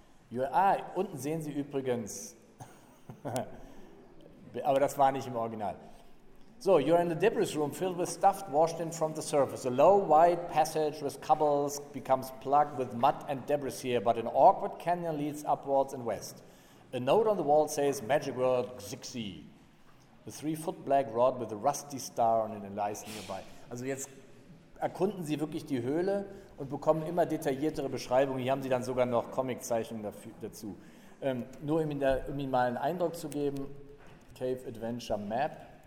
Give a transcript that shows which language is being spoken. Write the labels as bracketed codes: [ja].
[de] Unten sehen Sie übrigens, aber das war nicht im Original. [en] So, you're in the debris room filled with stuff washed in from the surface. A low, wide passage with cobbles becomes plugged with mud and debris here, but an awkward canyon leads upwards and west. A note on the wall says, magic word, Xixi. A 3-foot black rod with a rusty star on it and lies nearby. [de] Also jetzt erkunden Sie wirklich die Höhle und bekommen immer detailliertere Beschreibungen. Hier haben Sie dann sogar noch Comiczeichnungen dazu. Nur um Ihnen mal einen Eindruck zu geben, Cave Adventure Map.